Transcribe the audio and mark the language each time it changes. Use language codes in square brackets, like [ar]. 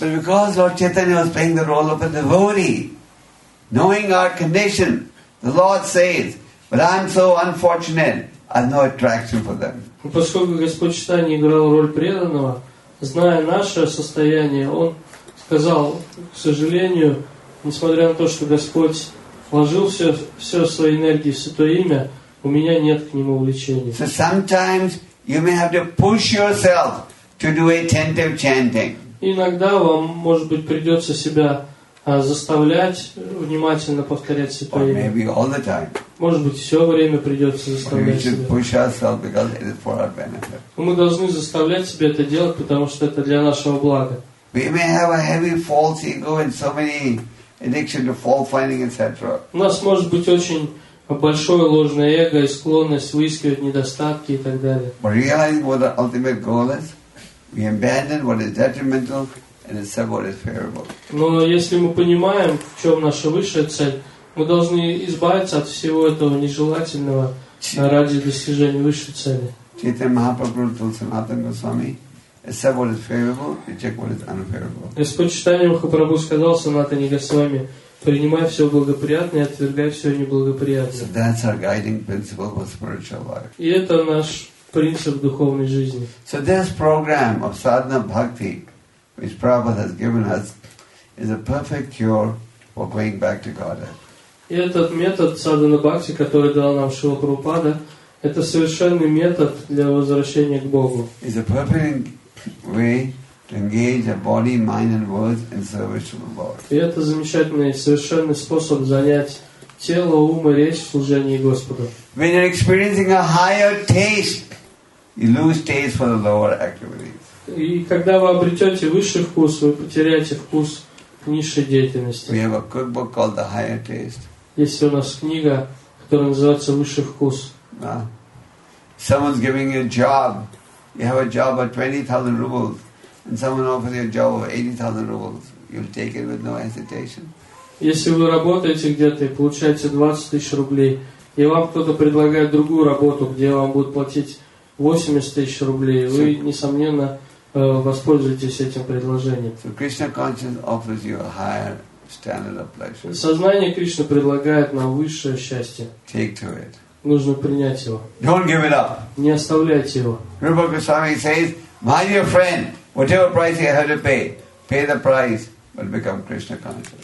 [en] But because Lord Chaitanya was playing the role of a devotee, knowing our condition, the Lord says, but I'm so unfortunate, I've no attraction for them. [ru] Поскольку Господь Чайтанья играл роль преданного, зная наше состояние, Он сказал, к сожалению, несмотря на то, что Господь вложил все свои энергии в Святое Имя, у меня нет к Нему увлечения. [en] So sometimes you may have to push yourself to do attentive chanting. [ru] Иногда вам, может быть, придется себя заставлять внимательно повторять Святое Имя. [en] Or maybe all the time. [ru] Может быть, все время придется заставлять себя. [en] We should push ourselves because it is for our benefit. [ru] Мы должны заставлять себя это делать, потому что это для нашего блага. [en] We may have a heavy false ego and so many addiction to fault finding, etc. [ru] У нас может быть очень большое ложное эго и склонность выискивать недостатки и так далее. [en] But realizing what the ultimate goal is, we abandon what is detrimental and accept what is favorable. [ru] Но если мы понимаем, в чем наша высшая цель, мы должны избавиться от всего этого нежелательного ради достижения высшей цели. [en] Chaitanya Mahaprabhu told Sanatana Goswami, accept what is favorable, reject what is unfavorable. [ru] Господь Чайтанья Махапрабху сказал Санатане Госвами, принимай все благоприятное, отвергай все неблагоприятное. [en] So that's our guiding principle for spiritual life. [ru] И это наш принцип духовной жизни. [en] So this program of sadhana bhakti, which Prabhupada has given us, is a perfect cure for going back to Godhead. [ru] И этот метод садхана бхакти, который дал нам Шрила Прабхупада, это совершенный метод для возвращения к Богу. [en] It's a perfect way to engage a body, mind, and words in service to the Lord. [ru] И это замечательный, совершенный способ занять тело, ум и речь в служении Господу. [en] When you're experiencing a higher taste, you lose taste for the lower activities. [ru] И когда вы обретете высший вкус, вы потеряете вкус низшей деятельности. [en] We have a cookbook called The Higher Taste. [ru] Есть у нас книга, которая называется «Высший вкус». [en] Someone's giving you a job. You have a job of 20,000 rubles, and someone offers you a job of 80,000 rubles. You'll take it with no hesitation. [ru] Если вы работаете где-то и получаете 20 тысяч рублей, и вам кто-то предлагает другую работу, где вам будут платить 80 тысяч рублей, вы несомненно воспользуйтесь этим предложением. [en] So Krishna consciousness offers you a higher standard of pleasure. [ru] Сознание Кришны предлагает нам высшее счастье. [en] Take to it. [ru] Нужно принять его. [en] Don't give it up. [ru] Не оставляйте его. [en] Rupa Goswami says, my dear friend, whatever price you have to pay, pay the price, but become Krishna conscious.